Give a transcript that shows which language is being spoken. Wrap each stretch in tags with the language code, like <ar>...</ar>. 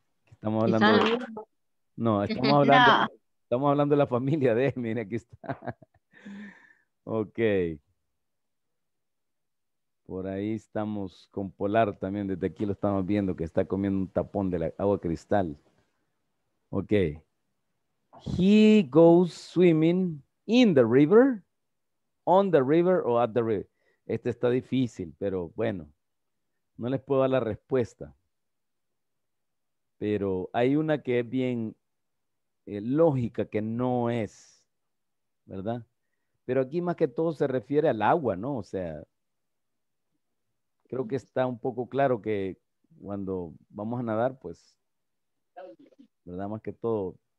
<es>Estamos hablando. Estamos hablando de la familia de él. Mira, aquí está. Ok. Por ahí estamos con Polar también. Desde aquí lo estamos viendo que está comiendo un tapón de la agua cristal. Ok.</es> <en>He goes swimming in the river, on the river, or at the river.</en> <es>Este está difícil, pero bueno, no les puedo dar la respuesta. Pero hay una que es bien lógica, que no es, ¿verdad? Pero aquí más que todo se refiere al agua, ¿no? O sea, creo que está un poco claro que cuando vamos a nadar, pues, ¿verdad? Más que todo...</es>